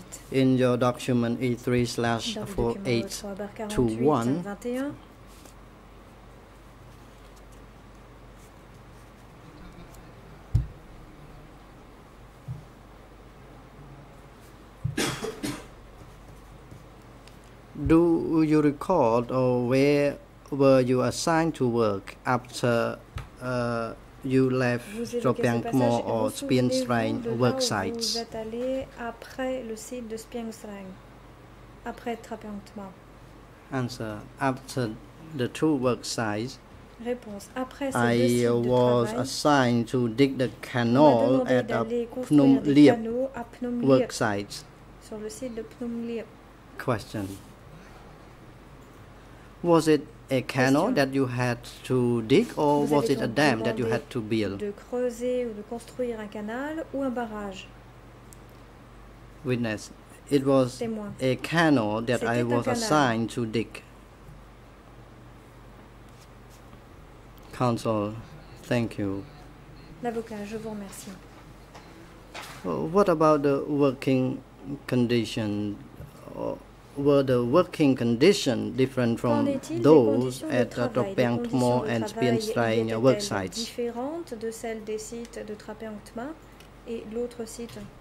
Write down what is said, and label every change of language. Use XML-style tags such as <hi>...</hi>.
<en>In your document E3/48-1, do you recall or where were you assigned to work after you left Tropiankmo or Spinsrein work sites?</en> <fr>Vous êtes allé après le site de Spinsrein, après Tropiankmo.</fr> <en>Answer. After the two work sites,</en> <fr>réponse. Après</fr> <en>I was</en> <fr>travail,</fr> <en>assigned to dig the canal at a Phnom Liep work site.</en> <fr>Sur le site de Phnom Liep.</fr> <en>Question. Was it a canal that you had to dig, or was it a dam that you had to build?</en> <fr>De creuser ou de construire un canal ou un barrage.</fr> <en>Witness, it was a canal that I was assigned to dig. Counsel, thank you.</en> <fr>L'avocat, je vous remercie.</fr> <en>What about the working condition? Were the working conditions different from those at Tropiankmo and Spinsrein work sites?</en> <fr>Différentes de celles des sites de Tropiankmo et l'autre site?</fr>